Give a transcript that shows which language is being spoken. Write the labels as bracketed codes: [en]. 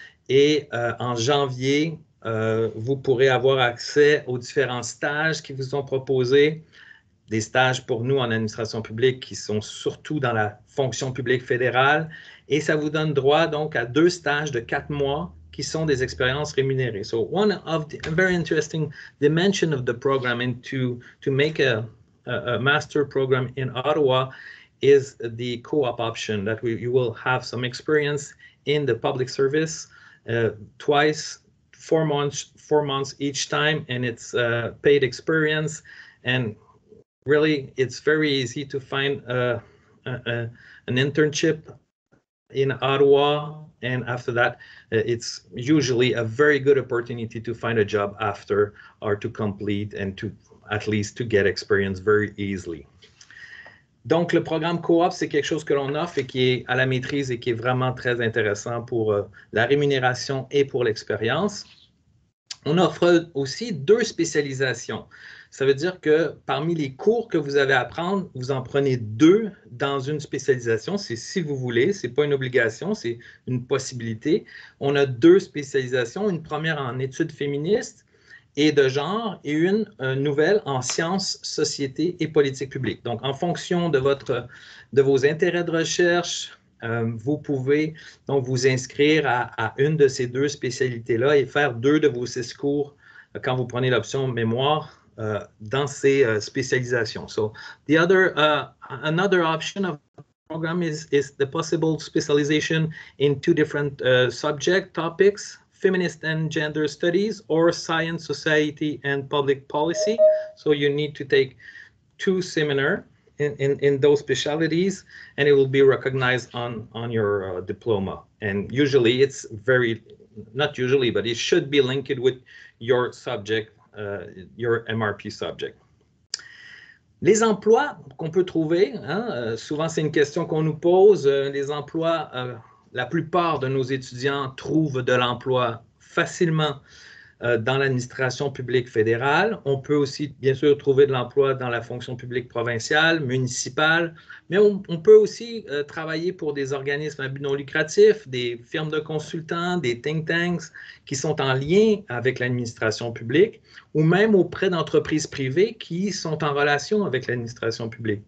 [fr] Et en janvier, vous pourrez avoir accès aux différents stages qui vous sont proposés. Des stages pour nous en administration publique qui sont surtout dans la fonction publique fédérale. Et ça vous donne droit donc à 2 stages de 4 mois qui sont des expériences rémunérées. [en] So one of the very interesting dimension of the program and to make a master program in Ottawa is the co-op option that you will have some experience in the public service twice, four months each time, and it's a paid experience. And really, it's very easy to find an internship in Ottawa. And after that, it's usually a very good opportunity to find a job after or to complete and to at least to get experience very easily. [fr] Donc, le programme co-op, c'est quelque chose que l'on offre et qui est à la maîtrise et qui est vraiment très intéressant pour la rémunération et pour l'expérience. On offre aussi deux spécialisations. Ça veut dire que parmi les cours que vous avez à prendre, vous en prenez deux dans une spécialisation. C'est si vous voulez, ce n'est pas une obligation, c'est une possibilité. On a deux spécialisations, une première en études féministes et de genre et une nouvelle en sciences, société et politique publique. Donc, en fonction de vos intérêts de recherche, vous pouvez donc vous inscrire à une de ces deux spécialités-là et faire deux de vos six cours quand vous prenez l'option mémoire. Dans ces spécializations. [en] So the other another option of the program is the possible specialization in two different subject topics, feminist and gender studies or science, society and public policy. So you need to take two seminar in those specialities and it will be recognized on your diploma. And usually it's very, not usually, but it should be linked with your subject. Your MRP subject. [fr] Les emplois qu'on peut trouver, hein, souvent c'est une question qu'on nous pose, les emplois, la plupart de nos étudiants trouvent de l'emploi facilement dans l'administration publique fédérale. On peut aussi bien sûr trouver de l'emploi dans la fonction publique provinciale, municipale, mais on peut aussi travailler pour des organismes à but non lucratif, des firmes de consultants, des think tanks qui sont en lien avec l'administration publique ou même auprès d'entreprises privées qui sont en relation avec l'administration publique.